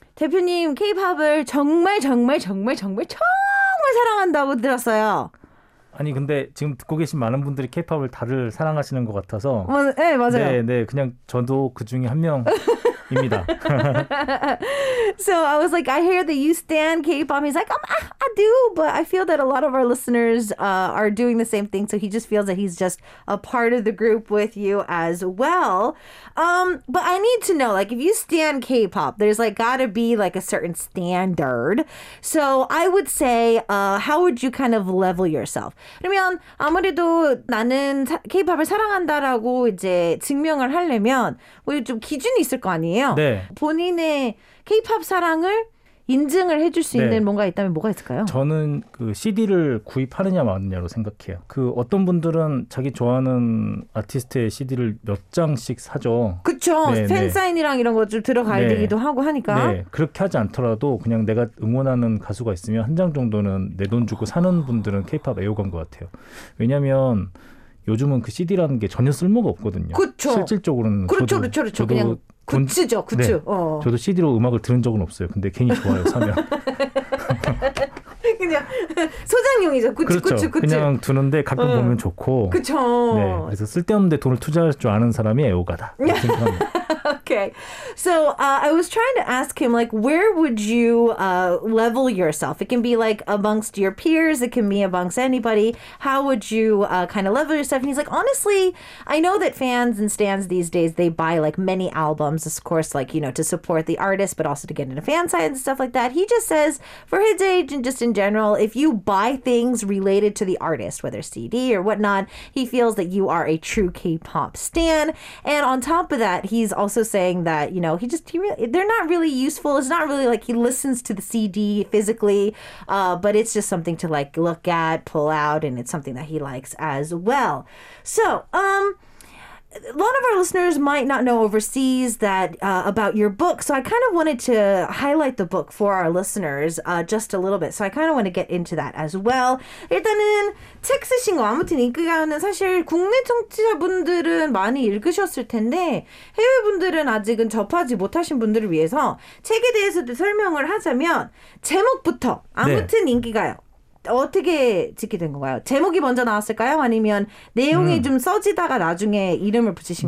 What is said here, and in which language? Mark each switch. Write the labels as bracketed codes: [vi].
[ko] 대표님, K-Pop을 정말, 정말, 정말, 정말, 정말 사랑한다고 들었어요. 아니 근데 지금 듣고 계신 많은 분들이 케이팝을 다들 사랑하시는 것 같아서 어, 네 맞아요. 네, 네 그냥 저도 그 중에 한 명입니다. [en] So I was like, I hear that you stan K-pop. He's like, I do, but I feel that a lot of our listeners are doing the same thing. So he just feels that he's just a part of the group with you as well. But I need to know, like, if you stan K-pop, there's like got to be like a certain standard. So I would say, how would you kind of level yourself? [ko] 그러면 아무래도 나는 K-pop을 사랑한다라고 이제 증명을 하려면 뭐 좀 기준이 있을 거 아니에요. 네. 본인의 K-pop 사랑을 인증을 해줄 수 있는 네. 뭔가 있다면 뭐가 있을까요? 저는 그 CD를 구입하느냐 마느냐로 생각해요. 그 어떤 분들은 자기 좋아하는 아티스트의 CD를 몇 장씩 사죠. 그렇죠. 팬 사인이랑 이런 것들 들어가야 네. 되기도 하고 하니까. 네. 그렇게 하지 않더라도 그냥 내가 응원하는 가수가 있으면 한 장 정도는 내 돈 주고 사는 분들은 K-pop 애호가인 것 같아요. 왜냐하면 요즘은 그 CD라는 게 전혀 쓸모가 없거든요. 그렇죠. 실질적으로는. 그렇죠. 저도, 그렇죠. 그렇죠. 저도 그냥. 굿즈죠, 굿즈. 네. 저도 CD로 음악을 들은 적은 없어요. 근데 괜히 좋아요, 사면. 그냥 소장용이죠, 굿즈, 그렇죠. 굿즈, 굿즈. 그냥 두는데 가끔 보면 좋고. 그렇죠. 네, 그래서 쓸데없는데 돈을 투자할 줄 아는 사람이 애호가다. [en] Okay. So I was trying to ask him, like, where would you level yourself? It can be like amongst your peers. It can be amongst anybody. How would you kind of level yourself? And he's like, honestly, I know that fans and stans these days, they buy like many albums, of course, like, you know, to support the artist, but also to get into fan side and stuff like that. He just says for his age and just in general, if you buy things related to the artist, whether CD or whatnot, he feels that you are a true K-pop stan. And on top of that, he's also saying that, you know, they're not really useful. It's not really like he listens to the CD physically, but it's just something to like look at, pull out, and it's something that he likes as well. So a lot of our listeners might not know overseas that about your book, so I kind of wanted to highlight the book for our listeners just a little bit. So I kind of want to get into that as well. [ko] 일단은 책 쓰신 거 아무튼 인기가요는 사실 국내 청취자분들은 많이 읽으셨을 텐데 해외분들은 아직은 접하지 못하신 분들을 위해서 책에 대해서도 설명을 하자면 제목부터 아무튼 네. 인기가요. 어떻게 짓게 된 건가요? 제목이 먼저 나왔을까요? 아니면 내용이 좀 써지다가 나중에 이름을 붙이신